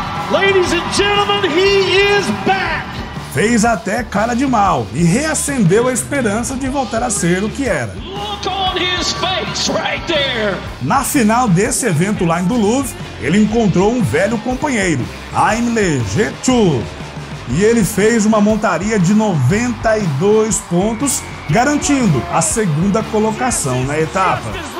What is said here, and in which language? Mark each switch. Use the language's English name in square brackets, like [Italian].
[English] Ladies and gentlemen, he is back! [Portuguese] Fez até cara de mal e reacendeu a esperança de voltar a ser o que era. [English] Look on his face right there. [Portuguese] Na final desse evento lá em Duluth, ele encontrou um velho companheiro, Aimle Getu. E ele fez uma montaria de 92 pontos, garantindo a segunda colocação na etapa.